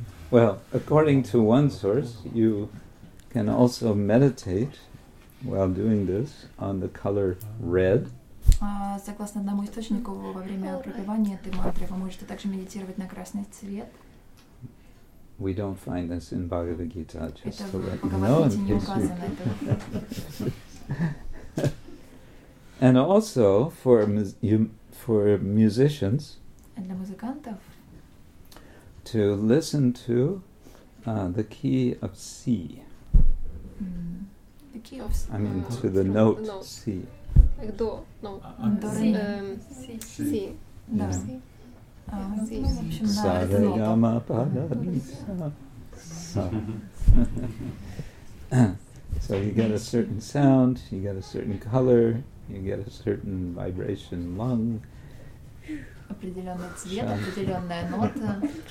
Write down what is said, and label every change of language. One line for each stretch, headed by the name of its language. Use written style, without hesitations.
English: Well, according to one source, you can also meditate while doing this on the color red.
Russian: Согласно одному источнику, во время пропевания этой мантры вы можете также медитировать на красный цвет.
English: We don't find this in Bhagavad Gita, just
Russian: это
English: to let you know in case you... And also, for musicians, and
Russian: для музыкантов,
English: to listen to the key of C. The key of C. I mean, to the note C. Like do, no. Do, C. C. Do, C. So you get a certain sound, you get a certain color, you get a certain vibration, lung.
Russian: Определенный цвет, определенная нота.